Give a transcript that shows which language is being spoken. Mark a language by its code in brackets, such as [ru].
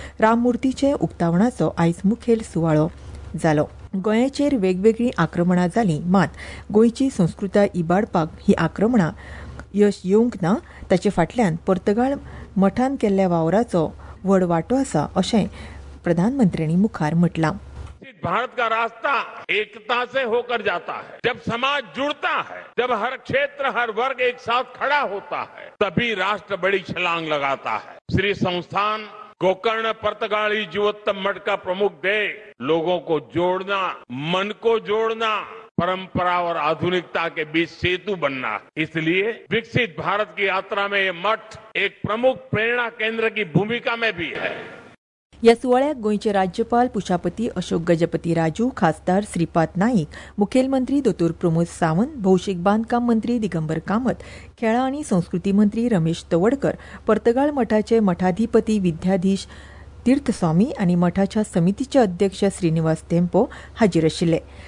[kok] राममूर्तीचे उक्तावणाचो आयज मुखेल सुवाळो जालो। गोंयाचेर वेगवेगळी आक्रमणां जाली, मात गोंयची संस्कृताय इबाडपाक ही आक्रमणां यश येवंक ना, ताचे फाटल्यान पर्तगाळ मठान केल्ल्या वावराचो व्हड वांटो आसा अशें प्रधानमंत्र्यांनी मुखार म्हटलां। [hi] भारत का रास्ता एकता से होकर जाता है, जब समाज जुड़ता है, जब हर क्षेत्र हर वर्ग एक साथ खड़ा होता है, तभी राष्ट्र बड़ी छलांग लगाता है। श्री संस्थान गोकर्ण पर्तगाळी जीवोत्तम मठ का प्रमुख ध्येय लोगों को जोड़ना, मन को जोड़ना, परंपरा और आधुनिकता के बीच सेतु बनना। इसलिए विकसित भारत की यात्रा में यह मठ एक प्रमुख प्रेरणा केंद्र की भूमिका में भी है। [kok] या सुवाळ्याक गोंयचे राज्यपाल पुशापती अशोक गजपती राजू, खासदार श्रीपाद नाईक, मुखेलमंत्री दोतोर प्रमोद सावंत, भौशीक बांदकाम मंत्री दिगंबर कामत, खेळां आनी संस्कृती मंत्री रमेश तवडकर, पर्तगाळ मठाचे मठाधिपती विद्याधीश तीर्थस्वामी आनी मठाच्या समितीचे अध्यक्ष श्रीनिवास टेम्पो हाजीर आशिल्ले।